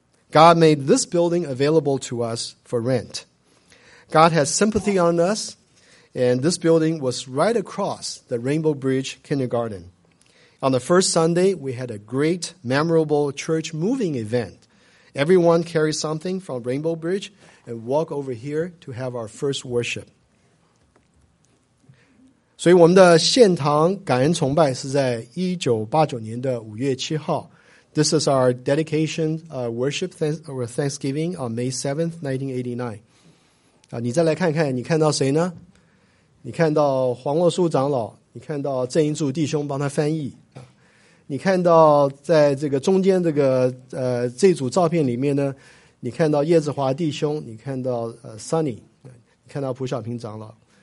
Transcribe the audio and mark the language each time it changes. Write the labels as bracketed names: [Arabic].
[English] God made this building available to us for rent. God has sympathy on us, and this building was right across the Rainbow Bridge Kindergarten. On the first Sunday, we had a great memorable church moving event. Everyone carried something from Rainbow Bridge and walked over here to have our first worship. [Chinese] 所以我们的献堂感恩崇拜是在1989年的5月7号。 [English] This is our dedication, worship, or Thanksgiving on May 7th, 1989. [Chinese] 你再来看看，你看到谁呢？你看到黄洛书长老，你看到郑英柱弟兄帮他翻译。你看到在这个中间这个这组照片里面呢，你看到叶子华弟兄，你看到Sunny, 你看到蒲小平长老。